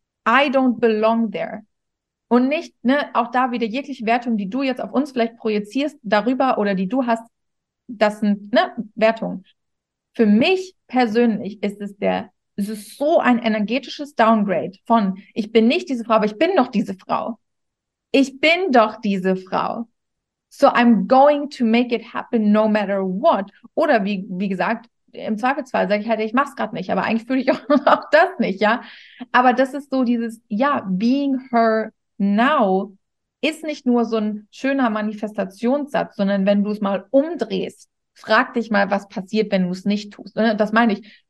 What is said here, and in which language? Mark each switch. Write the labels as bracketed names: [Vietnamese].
[English] I don't belong there. [German] Und nicht, ne, auch da wieder jegliche Wertung, die du jetzt auf uns vielleicht projizierst, darüber oder die du hast, das sind, ne, Wertungen. Für mich persönlich ist es so ein energetisches Downgrade von, ich bin nicht diese Frau, aber ich bin doch diese Frau. Ich bin doch diese Frau. [English] So I'm going to make it happen no matter what. [German] Oder wie gesagt, im Zweifelsfall sage ich halt, ich mach's gerade nicht, aber eigentlich fühle ich auch das nicht, ja. Aber das ist so dieses, ja, [English] being her now [German] ist nicht nur so ein schöner Manifestationssatz, sondern wenn du es mal umdrehst, frag dich mal, was passiert, wenn du es nicht tust. Das meine ich.